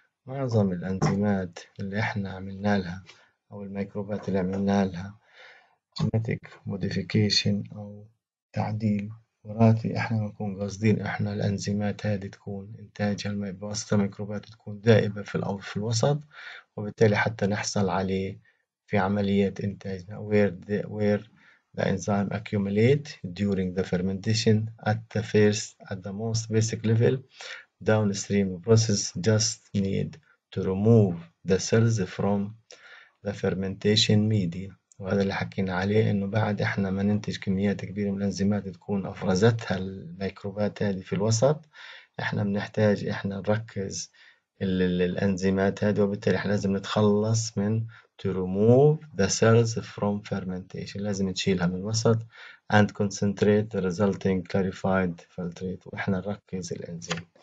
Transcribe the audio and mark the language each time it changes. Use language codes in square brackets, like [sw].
[ar] معظم الانزيمات اللي احنا عملنا لها او الميكروبات اللي عملنا لها genetic modification او تعديل وراثي، احنا بنكون قاصدين احنا الانزيمات هذه تكون انتاجها بواسطة ميكروبات تكون دائبة في الأول في الوسط، وبالتالي حتى نحصل عليه في عملية انتاجنا. [en] Where the enzyme accumulate during the fermentation at the most basic level, downstream process just need to remove the cells from the fermentation media. [ar] وهذا اللي حكينا عليه، انه بعد احنا ما ننتج كميات كبيرة من الانزيمات تكون افرزتها الميكروبات هذه في الوسط، احنا بنحتاج احنا نركز الانزيمات هذه، وبالتالي احنا لازم نتخلص من [en] to remove the cells from fermentation، [ar] لازم نشيلها من الوسط [en] and concentrate the resulting clarified filtrate، [ar] واحنا نركز الانزيم.